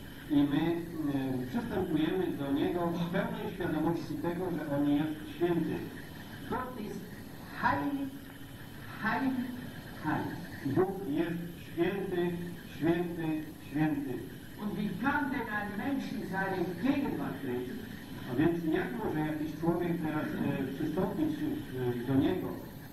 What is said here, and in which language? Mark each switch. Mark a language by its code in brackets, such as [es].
[pl] I my przystępujemy do Niego w pełnej świadomości tego, że On jest święty. [de] Gott ist heilig, heilig, heilig. [pl] Bóg jest święty, święty, święty. [de] Und wie kann denn ein Mensch in seine Gegenwart treten? [pl] A więc jak może jakiś człowiek teraz przystąpić do Niego?